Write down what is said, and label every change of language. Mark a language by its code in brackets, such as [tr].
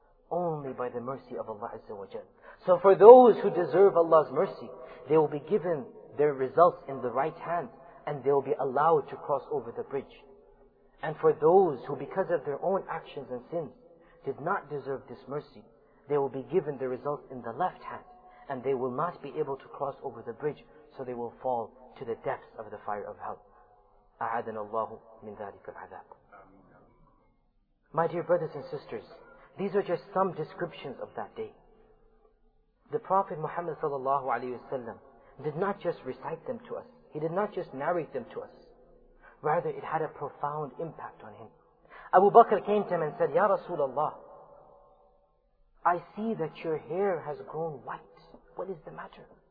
[en] Only by the mercy of Allah Azza wa Jal. So for those who deserve Allah's mercy, they will be given their results in the right hand and they will be allowed to cross over the bridge. And for those who, because of their own actions and sins, did not deserve this mercy, they will be given the results in the left hand and they will not be able to cross over the bridge, so they will fall to the depths of the fire of hell. [ar] أعاذنا الله من ذلك العذاب. [en] My dear brothers and sisters, these are just some descriptions of that day. The Prophet Muhammad sallallahu alayhi wasallam did not just recite them to us. He did not just narrate them to us. Rather, it had a profound impact on him. Abu Bakr came to him and said, Ya Rasulullah, I see that your hair has grown white. What is the matter?